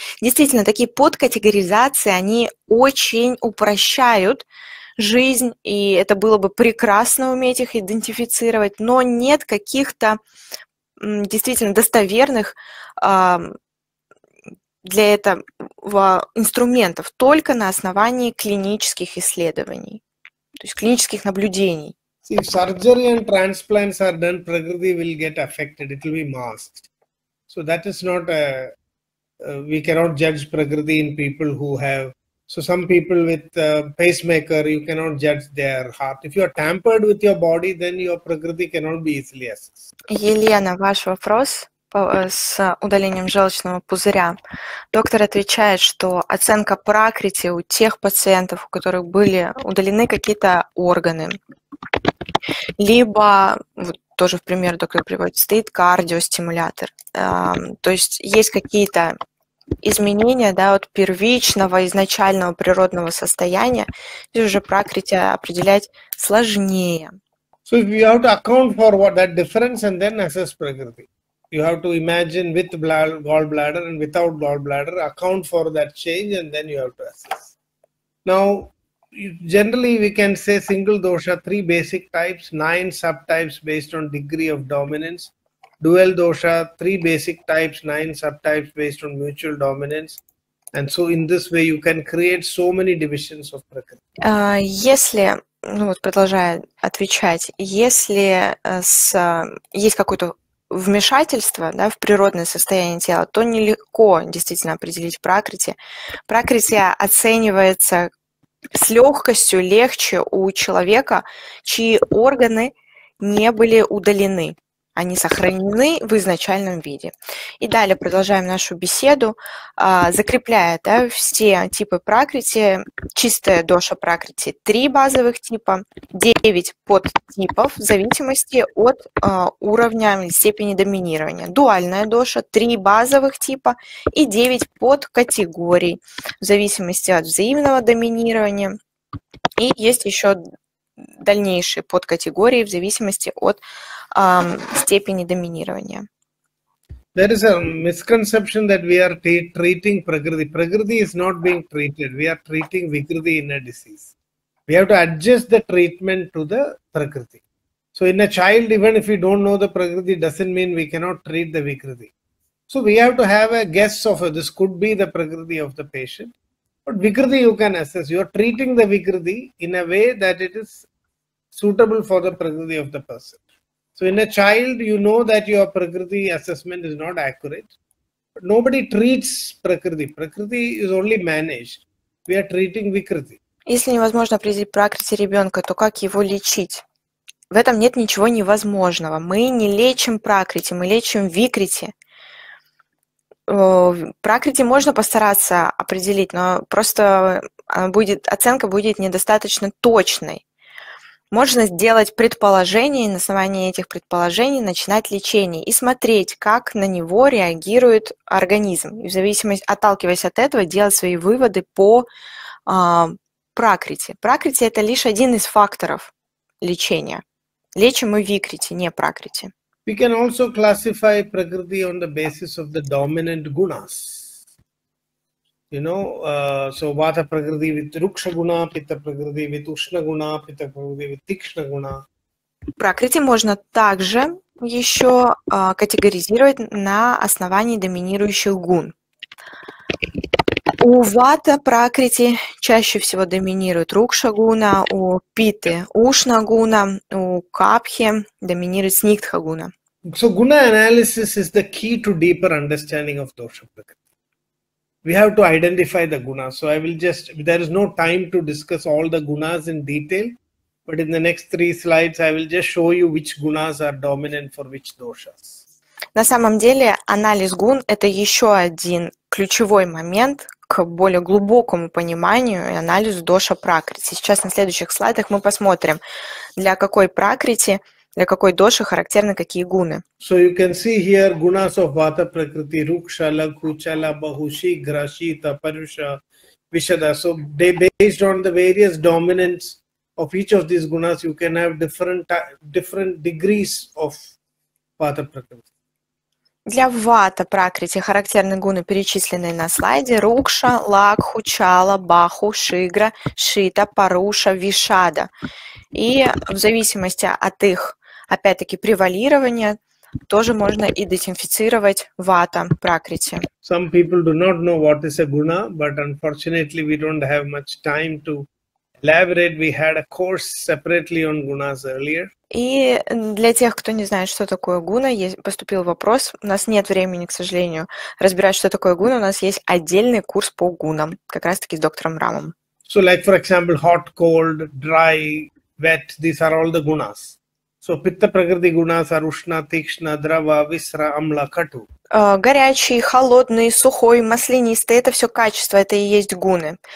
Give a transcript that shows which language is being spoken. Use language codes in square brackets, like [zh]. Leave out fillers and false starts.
[ru] Действительно, такие подкатегоризации, они очень упрощают жизнь, и это было бы прекрасно уметь их идентифицировать, но нет каких-то действительно достоверных для этого инструментов, только на основании клинических исследований, то есть клинических наблюдений. [en] See, if surgery and transplants are done, Prakriti will get affected, it will be masked. So that is not a, we cannot judge Prakriti in people who have, so some people with pacemaker, you cannot judge their heart. If you are tampered with your body, then your Prakriti cannot be easily assessed. [ru] Елена, ваш вопрос с удалением желчного пузыря. Доктор отвечает, что оценка Пракрити у тех пациентов, у которых были удалены какие-то органы, либо, вот тоже в пример доктор приводит, стоит кардиостимулятор. То есть есть какие-то изменения, да, от первичного, изначального природного состояния, и уже Пракрити определять сложнее. [en] So we have to account for what that difference and then assess Prakriti. You have to imagine with gallbladder and without gallbladder, account for that change, and then you have to assess. Now, generally, we can say single dosha, three basic types, nine subtypes based on degree of dominance. Dual dosha, three basic types, nine subtypes based on mutual dominance. And so in this way, you can create so many divisions of Prakriti. [ru] Если... Ну вот, продолжая отвечать, если есть какое-то вмешательство, да, в природное состояние тела, то нелегко действительно определить Пракрити. Пракрити оценивается с легкостью, легче у человека, чьи органы не были удалены. Они сохранены в изначальном виде. И далее продолжаем нашу беседу, закрепляя, да, все типы Пракрити. Чистая доша Пракрити – три базовых типа, девять подтипов в зависимости от уровня или степени доминирования. Дуальная доша – три базовых типа и девять подкатегорий в зависимости от взаимного доминирования. И есть еще дальнейшие подкатегории в зависимости от степени доминирования. [en] There is a misconception that we are treating Prakriti. Prakriti is not being treated. We are treating Vikriti in a disease. We have to adjust the treatment to the Prakriti. So in a child, even if we don't know the Prakriti, doesn't mean we cannot treat the Vikriti. So we have to have a guess of this could be the Prakriti of the patient. But Vikriti you can assess. You are treating the Vikriti in a way that it is suitable for the Prakriti of the person. So in a child, you know that your Prakriti assessment is not accurate. But nobody treats Prakriti. Prakriti is only managed. We are treating Vikriti. [ru] Если невозможно определить Пракрити ребенка, то как его лечить? В этом нет ничего невозможного. Мы не лечим Пракрити, мы лечим Викрити. Пракрити можно постараться определить, но просто будет, оценка будет недостаточно точной. Можно сделать предположение, на основании этих предположений начинать лечение и смотреть, как на него реагирует организм. И в зависимости, отталкиваясь от этого, делать свои выводы по Пракрити. Пракрити – это лишь один из факторов лечения. Лечим мы Викрити, не Пракрити. [en] We can also classify Prakriti on the basis of the dominant gunas. You know, so Vata Prakriti with Ruksha Guna, Pitta Prakriti with Ushna Guna, Pitta Prakriti with Tikshna Guna. [ru] Prakriti можно также еще категоризировать на основании доминирующих гун. У Вата Пракрити чаще всего доминирует Рукша Гуна, у Питы Ушна Гуна, у Капхи доминирует Сникдха Гуна. [en] So guna analysis is the key to deeper understanding of dosha prakriti. We have to identify the guna. So I will just, there is no time to discuss all the gunas in detail, but in the next three slides I will just show you which gunas are dominant for which doshas. [ru] На самом деле анализ гун – это еще один ключевой момент к более глубокому пониманию и анализу доша Пракрити. Сейчас на следующих слайдах мы посмотрим, для какой Пракрити, для какой доши характерны какие гуны. [en] So you can see here gunas of Vata Prakriti, Rukshala, Lakhu, Chala, Bahushi, Grashi, Taparusha, Vishada. So they based on the various dominance of each of these gunas, you can have different degrees of Vata Prakriti. [ru] Для вата пракрити характерны гуны, перечисленные на слайде: рукша, лакху, чала, баху, шигра, шита, паруша, вишада. И в зависимости от их, опять-таки, превалирования, тоже можно идентифицировать вата пракрити. [en] Some people do not know what is a guna, but unfortunately we don't have much time to elaborate. We had a course separately on gunas earlier. [ru] И для тех, кто не знает, что такое гуна, поступил вопрос. У нас нет времени, к сожалению, разбирать, что такое гуна. У нас есть отдельный курс по гунам, как раз-таки с доктором Рамом. [en] So, like, for example, hot, cold, dry, wet, these are all the gunas. So, pitta prakriti gunas are ushna, tikshna, drava, visra, amla, katu. [ru] Горячий, холодный, сухой, маслянистый – это все качества, это и есть гуны.